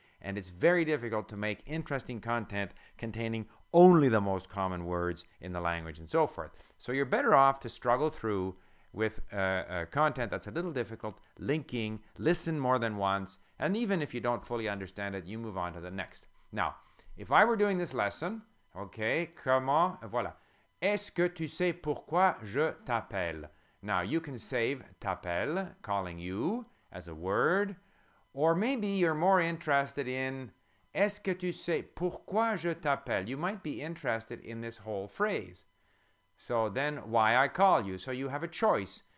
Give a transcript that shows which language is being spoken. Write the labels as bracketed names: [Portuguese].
[English] And it's very difficult to make interesting content containing only the most common words in the language and so forth. So you're better off to struggle through with content that's a little difficult, linking, listen more than once, and even if you don't fully understand it, you move on to the next. Now, if I were doing this lesson, okay, [French] comment, voilà. Est-ce que tu sais pourquoi je t'appelle? [English] Now, you can save t'appelle, calling you, as a word. Or maybe you're more interested in, [French] est-ce que tu sais pourquoi je t'appelle? [English] You might be interested in this whole phrase. So then, why I call you? So you have a choice.